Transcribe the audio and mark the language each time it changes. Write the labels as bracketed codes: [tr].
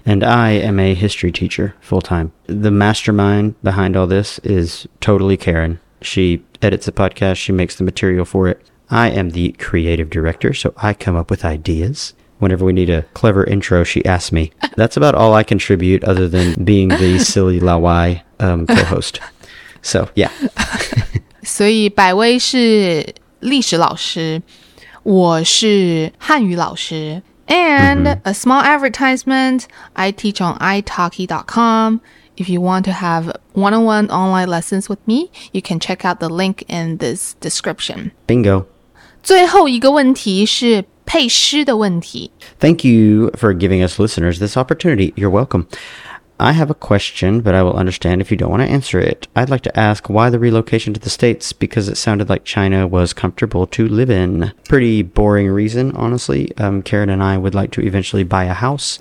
[en] And I am a history teacher full-time. The mastermind behind all this is totally Karen. She edits the podcast. She makes the material for it. I am the creative director, so I come up with ideas. Whenever we need a clever intro, she asks me. That's about all I contribute other than being the silly Lawai co-host. So, yeah. [zh] 所以百威是历史老师，我是汉语老师。 [en] And a small advertisement, I teach on italki.com. If you want to have one-on-one online lessons with me, you can check out the link in this description. Bingo. [zh] 最后一个问题是配诗的问题。 [en] Thank you for giving us listeners this opportunity. You're welcome. I have a question, but I will understand if you don't want to answer it. I'd like to ask why the relocation to the States, because it sounded like China was comfortable to live in. Pretty boring reason, honestly. Karen and I would like to eventually buy a house.